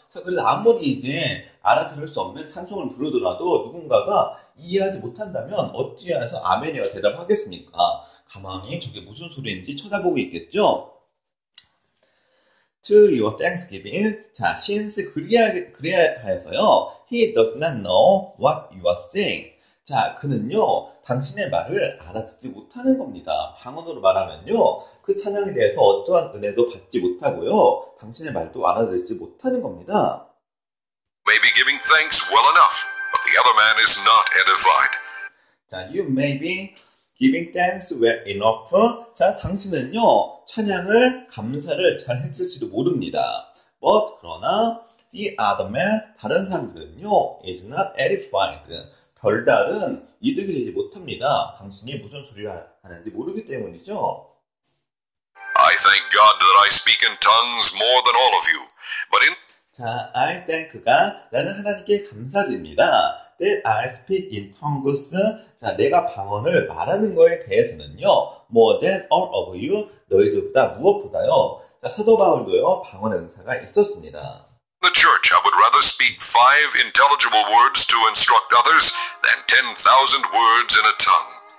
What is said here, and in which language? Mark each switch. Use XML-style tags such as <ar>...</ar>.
<ko>자, 그래서 아무리 이제 알아들을 수 없는 찬송을 부르더라도 누군가가 이해하지 못한다면 어찌해서 아멘이라 대답하겠습니까? 가만히 저게 무슨 소리인지 쳐다보고 있겠죠?</ko> <en>To your thanksgiving. 자, since</en> <ko>그리하여서요,</ko> <en>he does not know what you are saying.</en> <ko>자, 그는요, 당신의 말을 알아듣지 못하는 겁니다. 방언으로 말하면요, 그 찬양에 대해서 어떠한 은혜도 받지 못하고요, 당신의 말도 알아듣지 못하는 겁니다.</ko> <en>Maybe giving thanks well enough, but the other man is not edified. 자, you may be giving thanks well enough.</en> <ko>자, 당신은요, 찬양을, 감사를 잘 했을지도 모릅니다.</ko> <en>But,</en> <ko>그러나,</ko> <en>the other man,</en> <ko>다른 사람들은요,</ko> <en>is not edified.</en> <ko>별다른 이득이 되지 못합니다. 당신이 무슨 소리를 하는지 모르기 때문이죠.</ko> <en>I thank God that I speak in tongues more than all of you. But in 자, I thank God.</en> <ko>나는 하나님께 감사드립니다.</ko> <en>That I speak in tongues.</en> <ko>자, 내가 방언을 말하는 거에 대해서는요.</ko> <en>More than all of you.</en> <ko>너희들보다 무엇보다요. 자, 사도 바울도요. 방언의 은사가 있었습니다.</ko> <en>The church, I would rather speak five intelligible words to instruct others than 10,000 words in a tongue.</en>